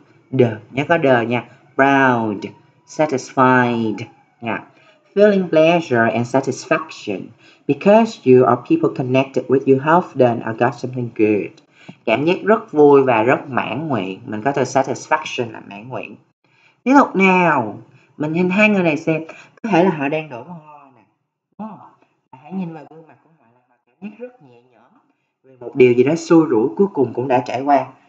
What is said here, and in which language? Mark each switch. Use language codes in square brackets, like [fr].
[vi] Đ, nhớ có đ nha. [en] Proud, satisfied. Yeah. feeling pleasure and satisfaction because you or people connected with you have done or got something good. [vi] Cảm giác rất vui và rất mãn nguyện. Mình có từ satisfaction là mãn nguyện. Tiếp tục nào. Mình nhìn hai người này xem. Có thể là họ đang đổ mồ hôi nè. Hãy nhìn vào gương mặt của họ là họ cảm giác rất nhẹ nhõm vì một điều gì đó xui rủi cuối cùng cũng đã trải qua.